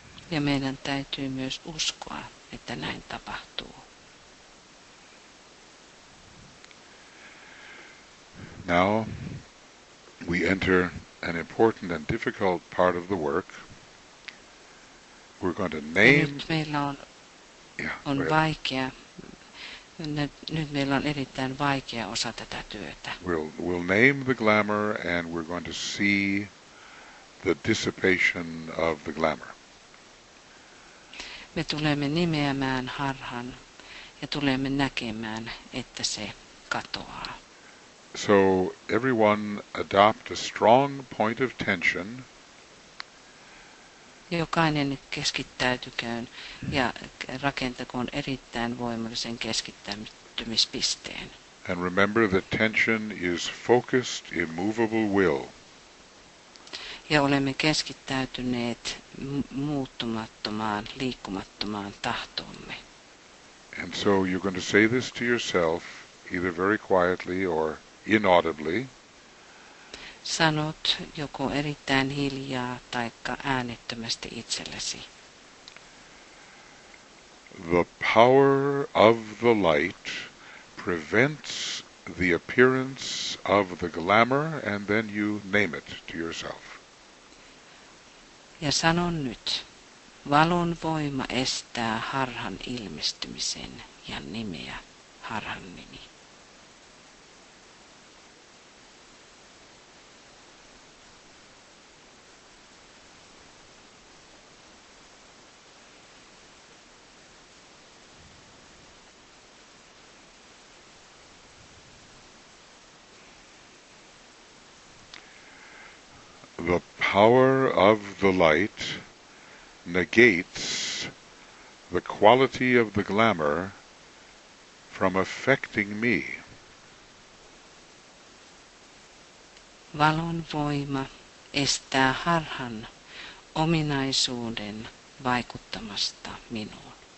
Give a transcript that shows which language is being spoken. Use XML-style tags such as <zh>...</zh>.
<fi>Ja meidän täytyy myös uskoa, että näin tapahtuu.</fi> <en>Now we enter an important and difficult part of the work. We're going to name.</en> <fi>Nyt meillä on,</fi> <en>yeah,</en> <fi>on vaikea. Nyt meillä on erittäin vaikea osa tätä työtä.</fi> <en>We'll name the glamour and we're going to see the dissipation of the glamour.</en> <fi>Me tulemme nimeämään harhan ja tulemme näkemään, että se katoaa.</fi> <en>So everyone adopt a strong point of tension.</en> <fi>Jokainen keskittäytyköön ja rakentakoon erittäin voimallisen keskittymispisteen.</fi> <en>And remember that tension is focused, immovable will.</en> <fi>Ja olemme keskittäytyneet muuttumattomaan, liikkumattomaan tahtoomme.</fi> <en>And so you're going to say this to yourself, either very quietly or inaudibly.</en> <fi>Sanot joko erittäin hiljaa taikka äänettömästi itsellesi.</fi> <en>The power of the light prevents the appearance of the glamour, and then you name it to yourself.</en> <fi>Ja sanon nyt, valon voima estää harhan ilmestymisen ja nimeä harhan nimi.</fi> <en>The power of the light negates the quality of the glamour from affecting me.</en> <fi>Valon voima estää harhan ominaisuuden vaikuttamasta minuun.</fi>